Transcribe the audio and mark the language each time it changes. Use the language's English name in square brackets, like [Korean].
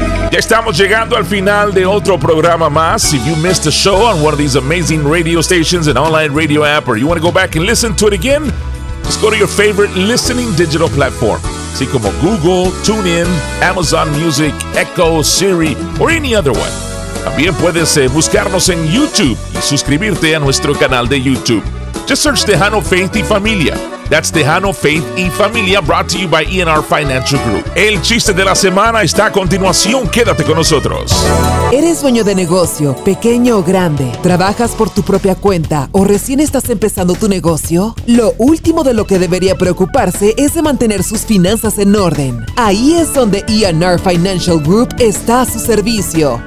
[Spanish] Ya estamos llegando al final de otro programa más. [English] If you missed the show on one of these amazing radio stations and online radio app, or you want to go back and listen to it again, just go to your favorite listening digital platform. [Spanish] Así como [English] Google, TuneIn, Amazon Music, Echo, Siri, or any other one. [Spanish] También puedes buscarnos en YouTube y suscribirte a nuestro canal de YouTube. [English] Just search Tejano Faith y Familia. That's Tejano Faith y Familia, brought to you by ENR Financial Group. [Spanish] El chiste de la semana está a continuación. Quédate con nosotros. ¿Eres dueño de negocio, pequeño o grande? ¿Trabajas por tu propia cuenta o recién estás empezando tu negocio? Lo último de lo que debería preocuparse es de mantener sus finanzas en orden. Ahí es donde ENR Financial Group está a su servicio.